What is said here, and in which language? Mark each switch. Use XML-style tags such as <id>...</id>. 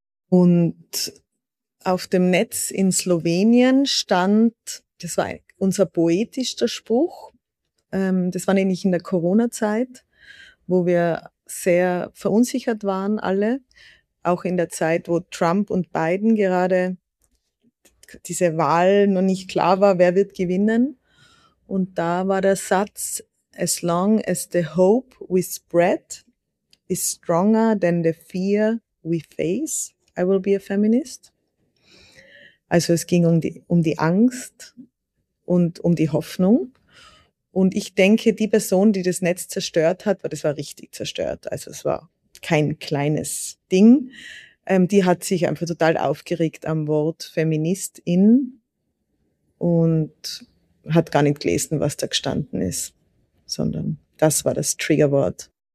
<de>Und auf dem Netz in Slowenien stand, das war unser poetischer Spruch, das war nämlich in der Corona-Zeit, wo wir sehr verunsichert waren alle, auch in der Zeit, wo Trump und Biden gerade diese Wahl noch nicht klar war, wer wird gewinnen. Und da war der Satz,</de> <en>as long as the hope we spread is stronger than the fear we face, I will be a feminist.</en> <de>Also es ging um die Angst und um die Hoffnung. Und ich denke, die Person, die das Netz zerstört hat, weil das war richtig zerstört, also es war kein kleines Ding, die hat sich einfach total aufgeregt am Wort Feministin und hat gar nicht gelesen, was da gestanden ist, sondern das war das Triggerwort.</de>